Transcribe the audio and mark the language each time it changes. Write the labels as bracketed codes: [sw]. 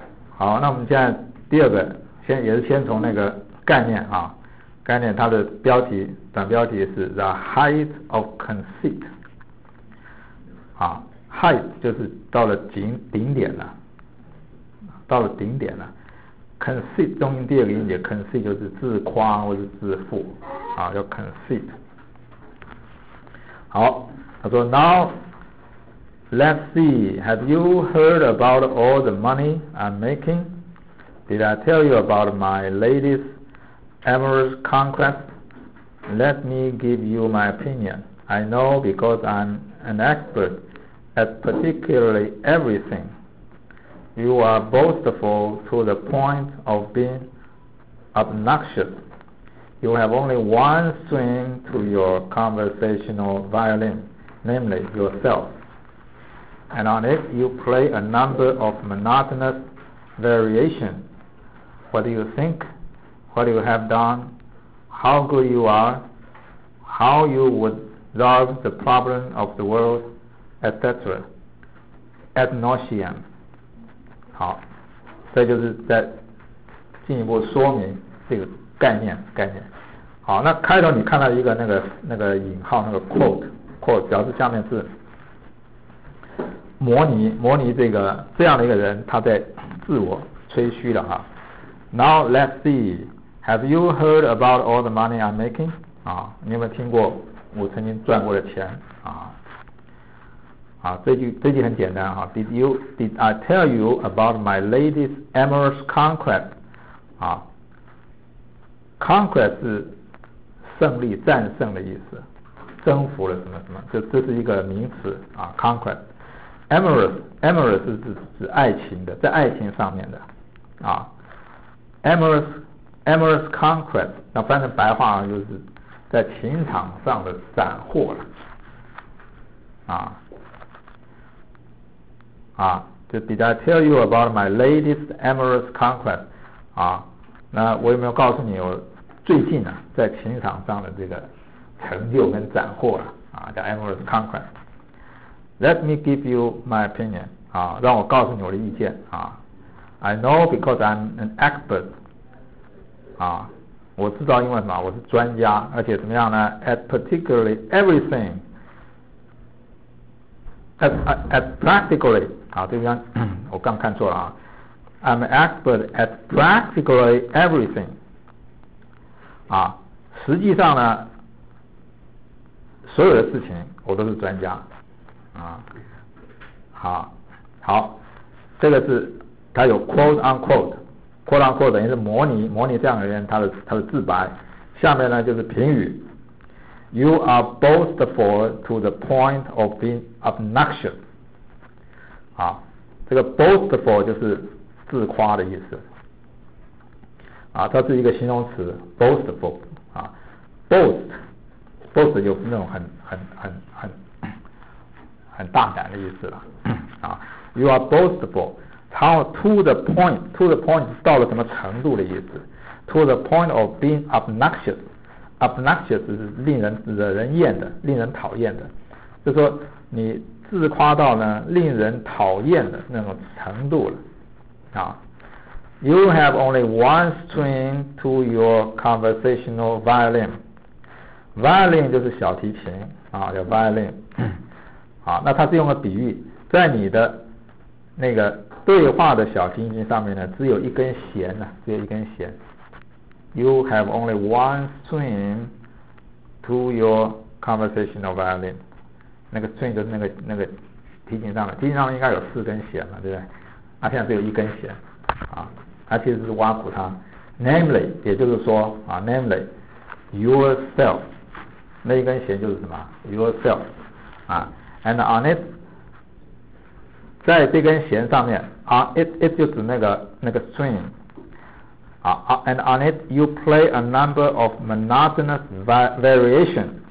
[zh] 好，那我们现在第二个，先也是先从那个概念啊，概念它的标题，短标题是 [en] the height of conceit。 [zh] 啊 ，height 就是到了顶点了，到了顶点了。 conceit 中音第二个音节 ，conceit 就是自夸或者自负，啊，叫 conceit。好，他说 ， [en] Now let's see. Have you heard about all the money I'm making? Did I tell you about my latest amorous conquest? Let me give you my opinion. I know because I'm an expert at particularly everything. You are boastful to the point of being obnoxious. You have only one string to your conversational violin, namely yourself. And on it, you play a number of monotonous variations. What do you think? What you have done? How good you are? How you would solve the problem of the world, etc. Ad nauseam. [zh] 好，这就是在进一步说明这个概念。好，那开头你看到一个那个引号，那个 quote 表示下面是模拟这个这样的一个人，他在自我吹嘘的哈。 [en] Now let's see, have you heard about all the money I'm making? [zh] 啊，你有没有听过我曾经赚过的钱啊？啊，这句很简单哈。 [en] Did I tell you about my latest amorous conquest? [zh] 啊 ，conquest 是胜利、战胜的意思，征服了什么什么，这是一个名词啊。 conquest， amorous 是指爱情的，在爱情上面的啊。 amorous conquest， 那翻成白话就是在情场上的斩获了啊。 [en] 啊，就 Did I tell you about my latest amorous conquest? [zh] 啊，那我有没有告诉你我最近呢、啊、在情场上的这个成就跟斩获了啊？ [en] 叫 amorous conquest. Let me give you my opinion. [zh] 啊，让我告诉你我的意见啊。 [en] I know because I'm an expert. [zh] 啊，我知道因为什么？我是专家，而且怎么样呢 ？ [en] At particularly everything. At practically [zh] 啊，对不对？我刚看错了啊。 [en] I'm an expert at practically everything [zh] 啊，实际上呢，所有的事情我都是专家啊。好，这个是他有 quote unquote 等于是模拟这样的人他的自白。下面呢就是评语。 [en] You are boastful to the point of being obnoxious. [zh] 啊，这个 boastful 就是自夸的意思。啊，它是一个形容词 ，boastful。啊 ，boast 就是那种很大胆的意思了。 [en] 啊 ，you are boastful. [zh] 然后 to the point 是到了什么程度的意思 ？ [en] To the point of being obnoxious. [zh] Obnoxious 是令人惹人厌的，令人讨厌的，就是说你自夸到呢令人讨厌的那种程度了啊。 [en] You have only one string to your conversational violin. [zh] Violin 就是小提琴啊，叫 violin 啊。那它是用了比喻，在你的那个对话的小提琴上面呢，只有一根弦呢，只有一根弦。 [en] You have only one string to your conversational violin. [zh] 那个 string 就是那个提琴上的，提琴上应该有四根弦嘛，对不对？啊，现在只有一根弦，啊，它其实是挖苦他， [en] namely [zh] 也就是说、 [en] namely yourself [zh] 那一根弦就是什么 [en] yourself、and on it [zh] 在这根弦上面 [en] it [zh] 就指那个 [en] string、and on it you play a number of monotonous variation、